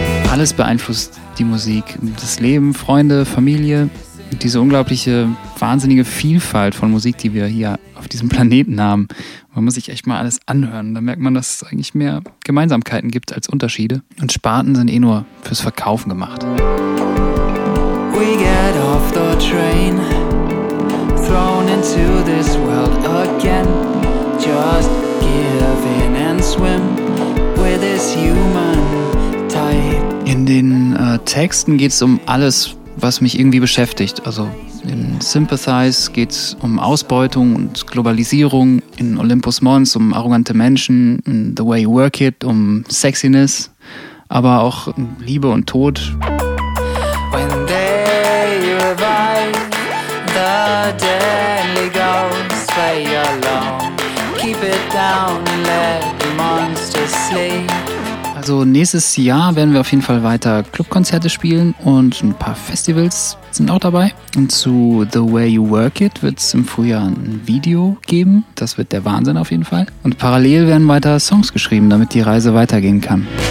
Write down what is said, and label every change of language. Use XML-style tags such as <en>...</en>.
<de>Alles beeinflusst die Musik, das Leben, Freunde, Familie, diese unglaubliche, wahnsinnige Vielfalt von Musik, die wir hier auf diesem Planeten haben. Man muss sich echt mal alles anhören, da merkt man, dass es eigentlich mehr Gemeinsamkeiten gibt als Unterschiede. Und Sparten sind eh nur fürs Verkaufen gemacht.</de> <en>We get off the train, thrown into this world again, just give in and swim with this human type.</en> <de>In den Texten geht es um alles, was mich irgendwie beschäftigt. Also in Sympathize geht es um Ausbeutung und Globalisierung. In Olympus Mons um arrogante Menschen. In The Way You Work It um Sexiness. Aber auch um Liebe und Tod.</de> <en>When they revive, the deadly ghosts play along. Keep it down and let the monsters sleep.</en> <de>Also nächstes Jahr werden wir auf jeden Fall weiter Clubkonzerte spielen und ein paar Festivals sind auch dabei. Und zu The Way You Work It wird es im Frühjahr ein Video geben. Das wird der Wahnsinn auf jeden Fall. Und parallel werden weiter Songs geschrieben, damit die Reise weitergehen kann.</de>